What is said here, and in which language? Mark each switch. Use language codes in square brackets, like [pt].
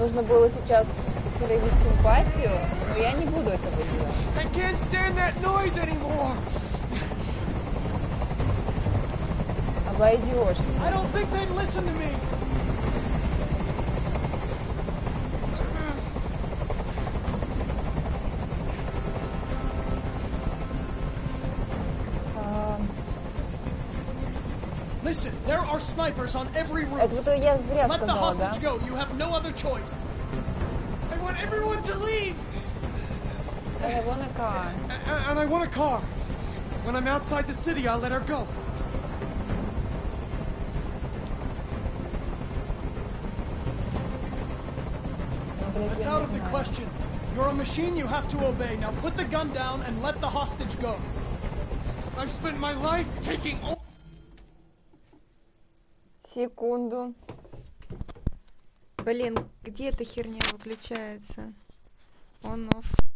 [ru] нужно было сейчас проявить симпатию, но я не буду этого делать. [en] I can't stand that noise anymore. [ru] Обойдешься. [en] I don't think they'd listen to me. Listen, there are snipers on every roof. Let the hostage go. You have no other choice. I want everyone to leave. And I want a car. And I want a car. When I'm outside the city, I'll let her go. That's out of the question. You're a machine, you have to obey. Now put the gun down and let the hostage go. I've spent my life taking all... [ru] Секунду. Блин, где эта херня выключается? Он офф.